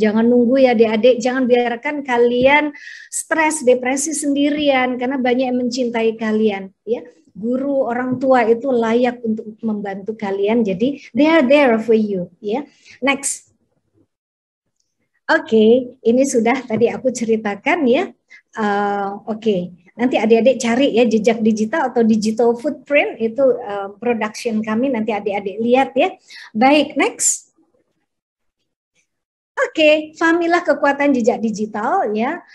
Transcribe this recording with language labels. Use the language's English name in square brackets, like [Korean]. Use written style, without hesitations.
[Indonesian] Jangan nunggu ya adik-adik, jangan biarkan kalian stres, depresi sendirian karena banyak yang mencintai kalian, ya. Guru, orang tua itu layak untuk membantu kalian. [English] Jadi they are there for you, ya. Next. [Indonesian] Oke, ini sudah tadi aku ceritakan ya. Oke. Nanti adik-adik cari ya jejak digital atau digital footprint itu production kami, nanti adik-adik lihat ya. Baik, next. Oke, fahamilah kekuatan jejak digital ya.